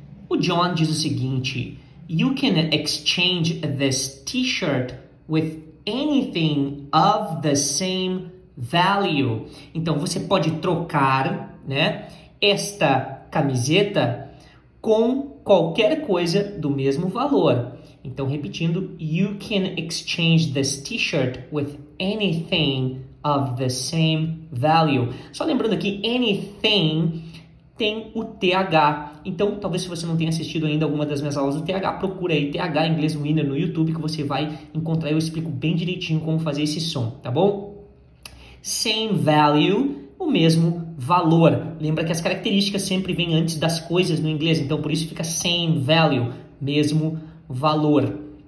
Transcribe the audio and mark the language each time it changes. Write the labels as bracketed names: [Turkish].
[Portuguese] O John diz o seguinte, [English] you can exchange this t-shirt with anything of the same value. [Portuguese] Então, você pode trocar, né, esta camiseta com qualquer coisa do mesmo valor. Então, repetindo, [English] you can exchange this t-shirt with anything of the same value. [Portuguese] Só lembrando aqui, anything tem o TH. Então, talvez se você não tenha assistido ainda alguma das minhas aulas do TH, procura aí TH Inglês Winner no YouTube que você vai encontrar. Eu explico bem direitinho como fazer esse som, tá bom? [English] Same value, [Portuguese] o mesmo valor. Lembra que as características sempre vêm antes das coisas no inglês, então por isso fica [English] same value, [Portuguese] mesmo valor.